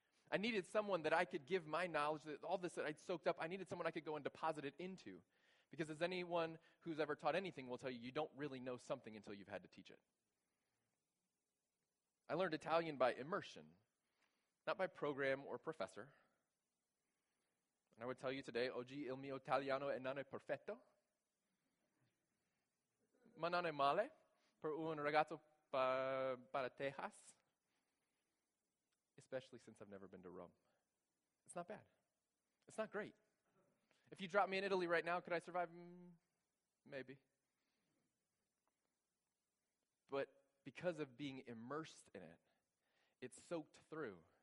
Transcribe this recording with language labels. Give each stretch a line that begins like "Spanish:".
English: I needed someone that I could give my knowledge, that all this that I'd soaked up, I needed someone I could go and deposit it into. Because as anyone who's ever taught anything will tell you, you don't really know something until you've had to teach it. I learned Italian by immersion, not by program or professor. And I would tell you today,
Italian: oggi il mio italiano è non è perfetto, ma non è male per un ragazzo para Texas.
English: Especially since I've never been to Rome. It's not bad. It's not great. If you drop me in Italy right now, could I survive? Maybe. But because of being immersed in it, it soaked through.